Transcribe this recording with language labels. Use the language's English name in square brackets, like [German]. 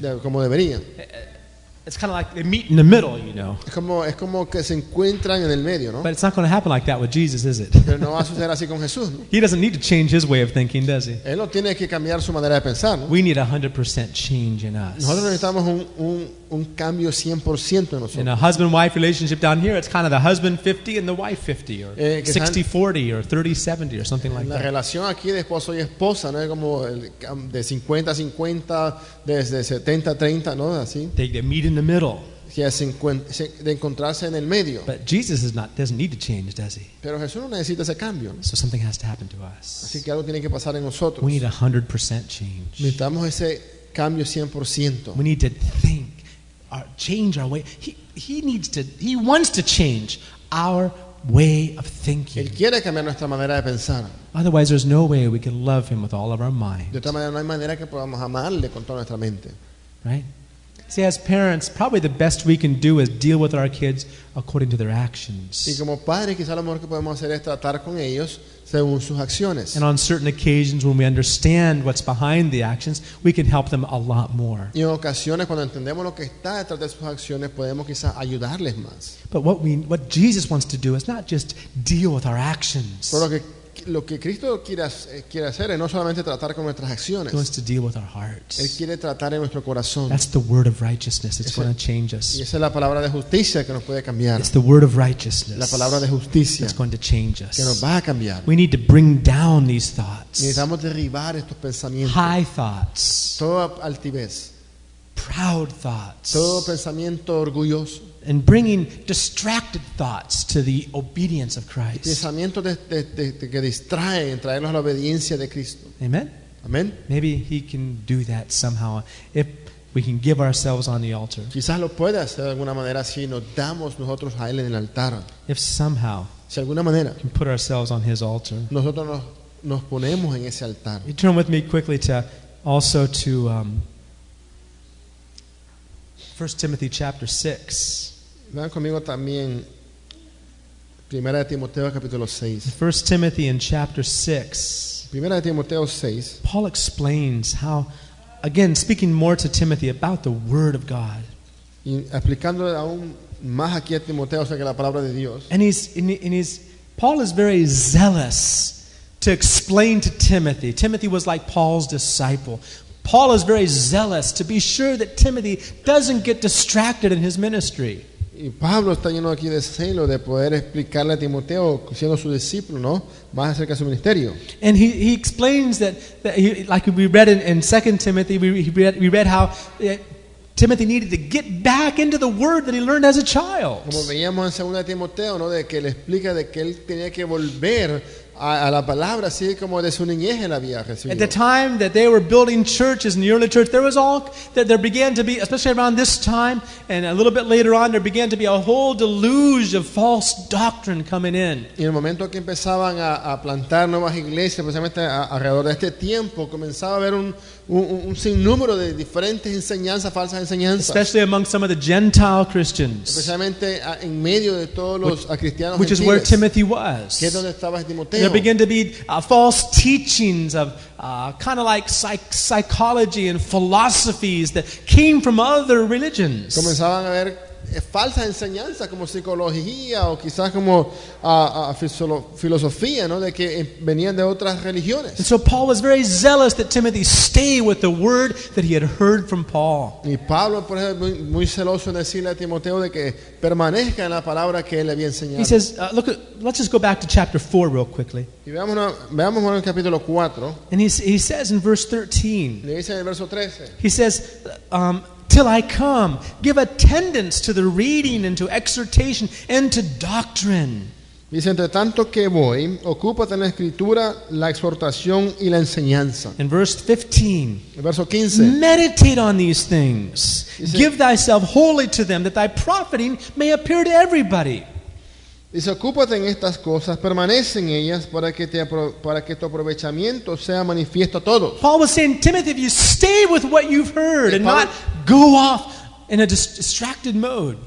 [English] It's kind of like they meet in the middle, you know. [Spanish] Es como que se encuentran en el medio, ¿no? [English] But it's not going to happen like that with Jesus, is it? [Spanish] Pero no va a suceder así con Jesús, ¿no? [English] He doesn't need to change his way of thinking, does he? [Spanish] Él no tiene que cambiar su manera de pensar, ¿no? [English] We need 100% change in us. [Spanish] Nosotros necesitamos un cambio 100% en nosotros. [English] In a husband-wife relationship down here, it's kind of the husband 50 and the wife 50, or 60-40, or 30-70, or something like [Spanish] la [English] that. [Spanish] La relación aquí de esposo y esposa, ¿no? Es como de 50-50, desde 70-30, ¿no? Así. [English] They meet in the middle. Yes, [Spanish] de encontrarse en el medio. [English] But Jesus is not doesn't need to change, does he? [Spanish] Pero Jesús no necesita ese cambio, ¿no? [English] So something has to happen to us. [Spanish] Así que algo tiene que pasar en nosotros. [English] We need 100% change. [Spanish] Necesitamos ese cambio 100%. [English] We need to think. Change our way. He wants to change our way of thinking. [Spanish] Él quiere cambiar nuestra manera de pensar. [English] Otherwise, there's no way we can love him with all of our mind. [Spanish] De otra manera, no hay manera que podamos amarle con toda nuestra mente. [English] Right? See, as parents, probably the best we can do is deal with our kids according to their actions. [Spanish] Y como padres, quizá lo mejor que podemos hacer es tratar con ellos según sus acciones. [English] And on certain occasions, when we understand what's behind the actions, we can help them a lot more. [Spanish] Y en ocasiones, cuando entendemos lo que está detrás de sus acciones, podemos quizá ayudarles más. [English] But what Jesus wants to do is not just deal with our actions. [Spanish] Pero lo que Cristo quiere hacer es no solamente tratar con nuestras acciones. [English] He wants to deal with our hearts. [Spanish] Él quiere tratar en nuestro corazón. [English] That's the word of righteousness. It's going to change us. [Spanish] Y esa es la palabra de justicia que nos puede cambiar. [English] It's the word of righteousness. [Spanish] La palabra de justicia. [English] That's going to change us. [Spanish] Que nos va a cambiar. [English] We need to bring down these thoughts. [Spanish] Necesitamos derribar estos pensamientos. [English] High thoughts. [Spanish] Toda altivez. [English] Proud thoughts. [Spanish] Todo pensamiento orgulloso. [English] And bringing distracted thoughts to the obedience of Christ. [Spanish] Pensamientos de que distraen, traerlos a la obediencia de Cristo. [English] Amen. [Spanish] Amen. [English] Maybe He can do that somehow if we can give ourselves on the altar. [Spanish] Quizás lo pueda hacer de alguna manera si nos damos nosotros a Él en el altar. [English] If somehow, [Spanish] si alguna manera, [English] can put ourselves on His altar. [Spanish] Nosotros nos ponemos en ese altar. [English] You turn with me quickly to 1 Timothy chapter 6. [Spanish] Vean conmigo también Primera de Timoteo capítulo 6. [English] 1 Timothy in chapter 6. [Spanish] Primera de Timoteo 6. [English] Paul explains how, again, speaking more to Timothy about the word of God. [Spanish] Y aplicándole aún más aquí a Timoteo, o sea, que la palabra de Dios. [English] And Paul is very zealous to explain to Timothy. Timothy was like Paul's disciple. Paul is very zealous to be sure that Timothy doesn't get distracted in his ministry. [Spanish] Y Pablo está lleno aquí de celo de poder explicarle a Timoteo, siendo su discípulo, ¿no?, más acerca de su ministerio. [English] And he explains that he, like we read in 2 Timothy, we read how Timothy needed to get back into the word that he learned as a child. [Spanish] Como veíamos en 2 Timoteo, ¿no?, de que le explica de que él tenía que volver a la palabra, así como de su niñez la había recibido. [English] At the time that they were building churches in the early church, there began to be, especially around this time and a little bit later on, there began to be a whole deluge of false doctrine coming in. [Spanish] Y en el momento que empezaban a plantar nuevas iglesias, precisamente alrededor de este tiempo, comenzaba a haber un sinnúmero de diferentes enseñanzas, falsas enseñanzas. [English] Especially among some of the Gentile Christians. [Spanish] Especialmente en medio de todos los cristianos gentiles. [English] Which is where Timothy was. [Spanish] Que es donde estaba Timoteo. [English] There begin to be false teachings of kind of like psychology and philosophies that came from other religions. [Spanish] Comenzaban a haber falsas enseñanzas como psicología o quizás como filosofía, ¿no?, de que venían de otras religiones. [English] And so Paul was very zealous that Timothy stay with the word that he had heard from Paul. [Spanish] Y Pablo, por ejemplo, muy celoso en decirle a Timoteo de que permanezca en la palabra que él le había enseñado. [English] He says, let's just go back to chapter 4 real quickly. [Spanish] Y veamos en el capítulo 4. [English] And he says in verse 13. [Spanish] Le dice en el verso 13. [English] He says, till I come, give attendance to the reading and to exhortation and to doctrine. [Spanish] Dice, entre tanto que voy, ocúpate en la escritura, la exhortación y la enseñanza. [English] In verse 15. [Spanish] En verso 15. [English] Meditate on these things. [Spanish] Dice, [English] give thyself wholly to them, that thy profiting may appear to everybody. [Spanish] Dice, ocúpate en estas cosas, permanece en ellas para que tu aprovechamiento sea manifiesto a todos. [English] Paul was saying, Timothy, if you stay with what you've heard and not go off in a distracted mode.